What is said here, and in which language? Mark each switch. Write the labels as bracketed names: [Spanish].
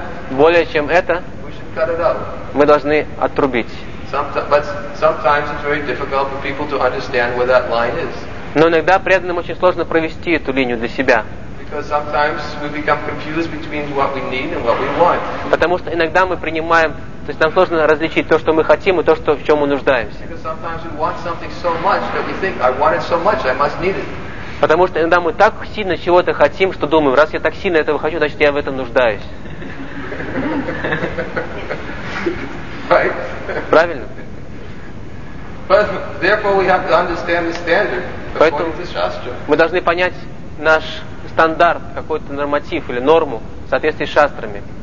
[Russian] Более чем это, мы должны отрубить. Но иногда преданным очень сложно провести эту линию для себя. [English] Because sometimes we become confused between what we need and what we want. [Russian] Потому что иногда мы принимаем, то есть нам сложно различить то, что мы хотим, и то, что в чем мы нуждаемся. [English] Because sometimes we want something so much that we think, I want it so much, I must need it. [Russian] Потому что иногда мы так сильно чего-то хотим, что думаем, раз я так сильно этого хочу, значит я в этом нуждаюсь. Правильно? [English] But therefore we have to understand the standard according to Shastra. [Russian] Мы должны понять наш стандарт, какой-то норматив или норму в соответствии с шастрами.